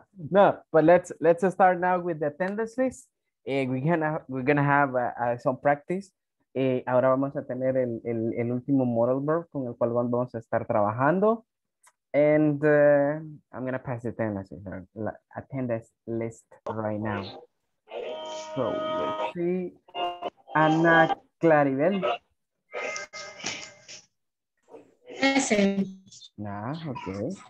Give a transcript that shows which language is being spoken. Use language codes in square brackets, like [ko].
[en] No, but let's start now with the attendance list. We're gonna have some practice. [es] Ahora vamos a tener el último modal verb con el cual vamos a estar trabajando. [en] And I'm gonna pass the attendance list right now. So let's see. Ana Claribel. Present. Ah, okay.